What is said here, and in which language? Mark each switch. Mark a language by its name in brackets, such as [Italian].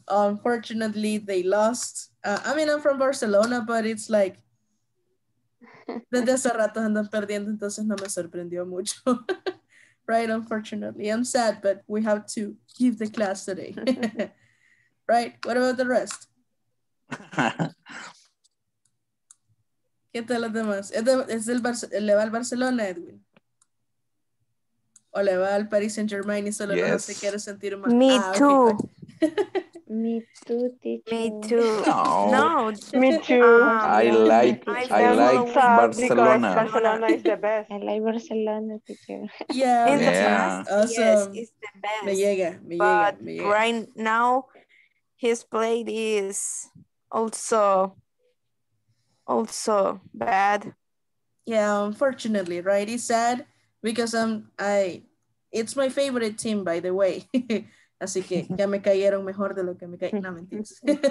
[English] Unfortunately, they lost. I mean, I'm from Barcelona, but it's like, [Spanish] desde hace rato andan perdiendo, entonces no me sorprendió mucho. [English] Right, unfortunately. I'm sad, but we have to give the class today. Right, what about the rest? [Spanish] ¿Qué tal los demás? ¿Le va al Barcelona, Edwin? ¿O le va al Paris Saint-Germain y solo no se quiere sentir más? [English] Me too. Me too, teacher. Me too. No. Me too. I like Barcelona. Barcelona is the best. I like Barcelona, teacher. Yeah. In the past, awesome. Yes, it's the best. [Spanish] Me llega. [English] Right now, his play is also bad. Yeah, unfortunately, right? He's sad because it's my favorite team, by the way. [Spanish] Así que ya me cayeron mejor de lo que me cayeron. No, mentiras.